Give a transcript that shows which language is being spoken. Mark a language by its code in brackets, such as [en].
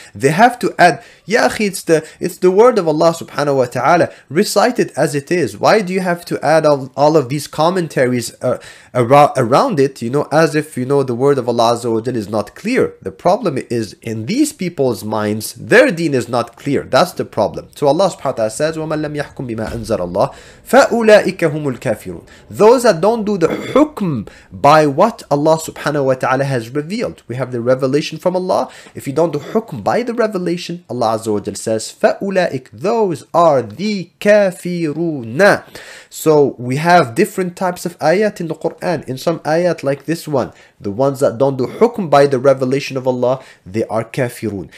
[en] They have to add, ya akhi, it's the word of Allah subhanahu wa ta'ala, recite it as it is. Why do you have to add all of these commentaries around it, you know, as if, you know, the word of Allah azza wa jal is not clear. The problem is, in these people's minds, their deen is not clear. That's the problem. So Allah subhanahu wa ta'ala says, [ar] وَمَنْ لَمْ يَحْكُمْ بِمَا أَنزَلَ اللَّهِ فَأُولَٰئِكَ هُمُ الْكَافِرُونَ. [en] Those that don't do the hukm by what Allah subhanahu wa ta'ala has revealed. We have the revelation from Allah. If you don't do hukm by the revelation, Allah azza wa jal says, [ar] فَأُولَٰئِكَ, [en] those are the كَافِرُونَ. So we have different types of ayat in the Quran. In some ayat like this one, the ones that don't do hukm by the revelation of Allah, they are kafirun.